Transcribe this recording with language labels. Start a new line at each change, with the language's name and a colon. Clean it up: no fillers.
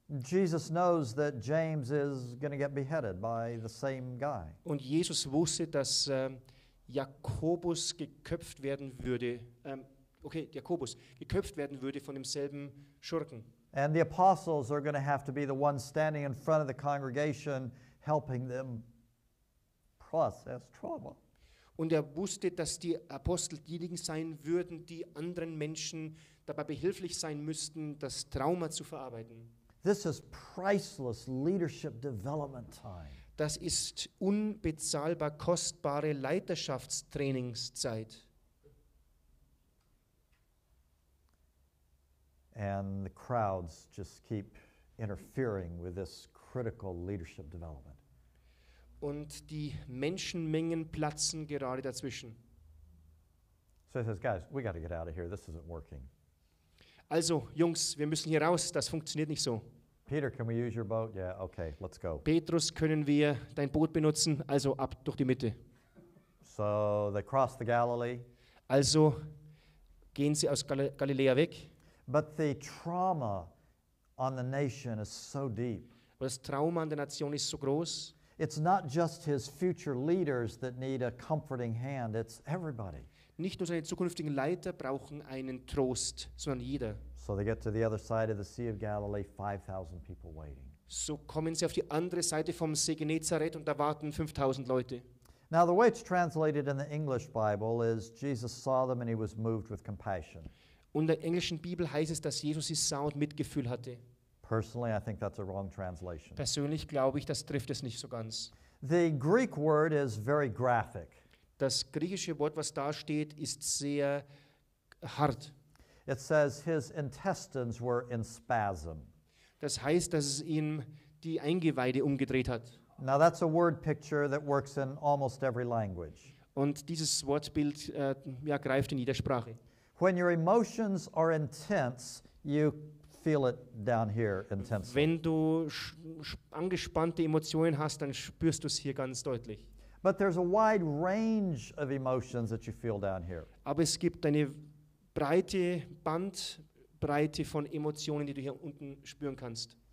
English: Jesus knows that James is going to get beheaded by the same guy.
German: Und Jesus wusste, dass Jakobus geköpft werden würde. Jakobus geköpft werden würde von demselben Schurken.
English: And the apostles are going to have to be the ones standing in front of the congregation, helping them process trauma.
German: Und er wusste, dass die Apostel diejenigen sein würden, die anderen Menschen dabei behilflich sein müssten, das Trauma zu verarbeiten.
English: This is priceless leadership development time.
German: Das ist unbezahlbar kostbare Leiterschaftstrainingszeit.
English: And the crowds just keep interfering with this critical leadership development.
German: Und die Menschenmengen platzen gerade dazwischen.
English: So he says, guys, we got to get out of here. This isn't working.
German: Also, Jungs, wir müssen hier raus. Das funktioniert nicht so.
English: Peter, can we use your boat? Yeah, okay, let's go.
German: Petrus, können wir dein Boot benutzen? Also ab durch die Mitte.
English: So they cross the Galilee.
German: Also gehen sie aus Galiläa weg.
English: But the trauma on the nation is so deep.
German: Das Trauma an der Nation ist so groß.
English: It's not just his future leaders that need a comforting hand, it's everybody.
German: Nicht nur seine zukünftigen Leiter brauchen einen Trost, sondern jeder.
English: So they get to the other side of the Sea of Galilee, 5,000 people waiting.
German: So kommen sie auf die andere Seite vom See Genezareth und da warten 5,000 Leute.
English: Now the way it's translated in the English Bible is Jesus saw them and he was moved with compassion.
German: Und in der englischen Bibel heißt es, dass Jesus sie sah und Mitgefühl hatte.
English: Personally, I think that's a wrong translation.
German: Persönlich glaube ich, das trifft es nicht so ganz.
English: The Greek word is very graphic.
German: Das griechische Wort, was da steht, ist sehr hart.
English: It says his intestines were in spasm.
German: Das heißt, dass es ihm die Eingeweide umgedreht hat.
English: Now that's a word picture that works in almost every language.
German: Und dieses Wortbild greift in jeder Sprache.
English: When your emotions are intense, you feel it down here intensely.
German: Wenn du angespannte Emotionen hast, dann spürst du es hier ganz deutlich.
English: But there's a wide range of emotions that you feel down here.
German: Aber es gibt eine breite Bandbreite von Emotionen, die du hier unten spüren kannst.